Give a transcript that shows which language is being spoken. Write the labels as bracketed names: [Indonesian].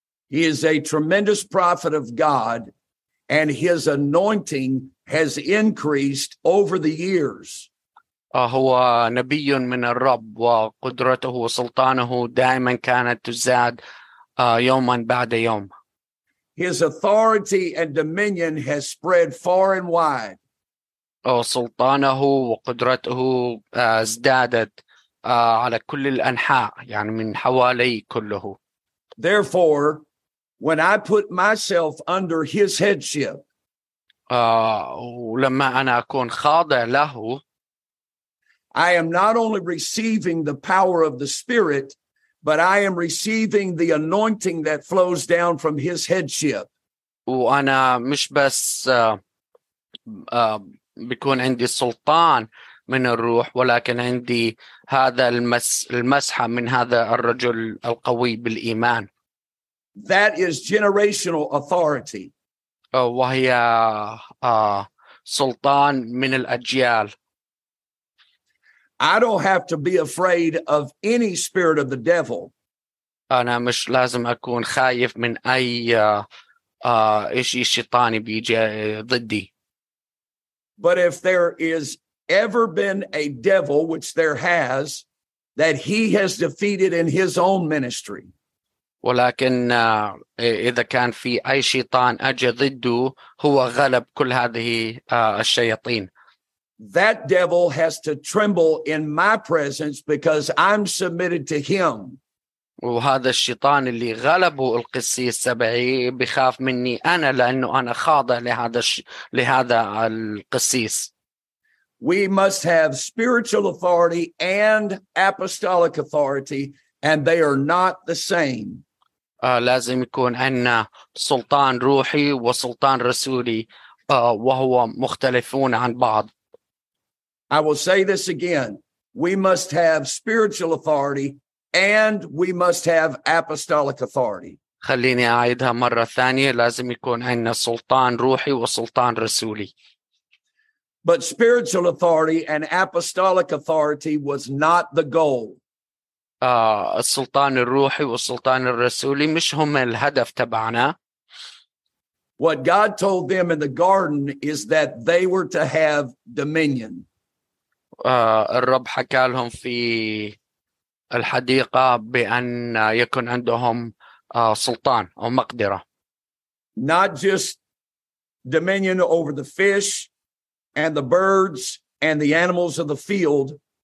[English] He is a tremendous prophet of God, and his anointing has increased over the years. [Arabic] هو نبي من الرب وقدرته وسلطانه دائما كانت تزداد يوما بعد يوم. [English] His authority and dominion has spread far and wide. [Arabic] سلطانه وقدرته ازدادت على كل الأنحاء, يعني من حوالي كله. [English] Therefore, when I put myself under his headship, [Arabic] ولما أنا أكون خاضع له, [English] I am not only receiving the power of the Spirit, but I am receiving the anointing that flows down from his headship. [Arabic] وأنا مش بس بيكون عندي سلطان من الروح, ولكن عندي هذا المسحة من هذا الرجل القوي بالإيمان. [English] That is generational authority. [Arabic] وهي سلطان من الأجيال. [English] I don't have to be afraid of any spirit of the devil. [Arabic] أنا مش لازم أكون خايف من أي إشي شيطاني بيجي ضدي. [English] But if there is ever been a devil, which there has, that he has defeated in his own ministry. [Arabic] ولكن إذا كان في أي شيطان أجي ضده, هو غلب كل هذه الشياطين. [English] That devil has to tremble in my presence because I'm submitted to him. [Arabic] وهذا الشيطان اللي غلبه القسيس السبعي بخاف مني أنا لأنه أنا خاضع لهذا القسيس. [English] We must have spiritual authority and apostolic authority, and they are not the same. [Arabic] لازم يكون عندنا سلطان روحي وسلطان رسولي وهو مختلفون عن بعض. [English] I will say this again. We must have spiritual authority and we must have apostolic authority. [Arabic] خليني أعيدها مرة ثانية. لازم يكون عندنا سلطان روحي وسلطان رسولي. [English] But spiritual authority and apostolic authority was not the goal. [Arabic] السلطان الروحي والسلطان الرسولي مش هم الهدف تبعنا. [English] What God told them in the garden is that they were to have dominion. [Arabic] الرب حكى لهم في الحديقة بأن يكون عندهم سلطان أو مقدرة. [English] Not just dominion over the fish and the birds and the animals of the field.